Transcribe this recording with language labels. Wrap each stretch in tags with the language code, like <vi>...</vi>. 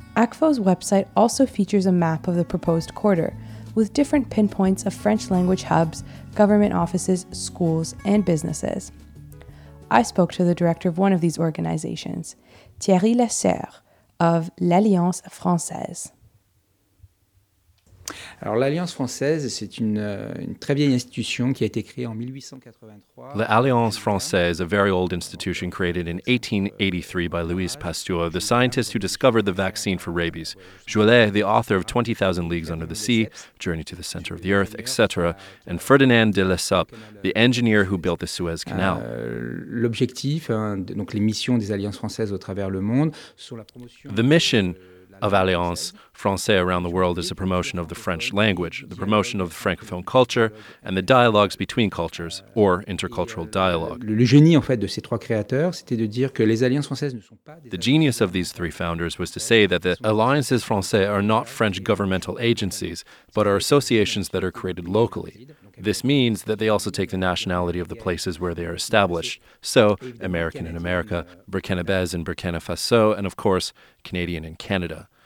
<en>ACFO's website also features a map of the proposed quarter, with different pinpoints of French language hubs, government offices, schools, and businesses. I spoke to the director of one of these organizations, Thierry Lasserre of l'Alliance Française.</en> <fr>Alors, l'Alliance Française, c'est une très vieille institution qui a été créée en 1883.</fr> <en>The Alliance Française, a very old institution created in 1883 by Louis Pasteur, the scientist who discovered the vaccine for rabies. Joliet, the author of 20,000 Leagues Under the Sea, Journey to the Center of the Earth, etc. And Ferdinand de Lesseps, the engineer who built the Suez Canal.</en> <fr>L'objectif, donc les missions des Alliances Françaises au travers le monde, sont la promotion...</fr> <en>The mission... of Alliance Française around the world is the promotion of the French language, the promotion of the Francophone culture, and the dialogues between cultures, or intercultural dialogue.</en> <fr>Le génie, en fait, de ces trois créateurs, c'était de dire que les alliances françaises ne sont pas...</fr> <en>The genius of these three founders was to say that the Alliances Françaises are not French governmental agencies, but are associations that are created locally. This means that they also take the nationality of the places where they are established. So, American in America, Burkinabés in Burkina Faso, and of course, Canadian in Canada.</en>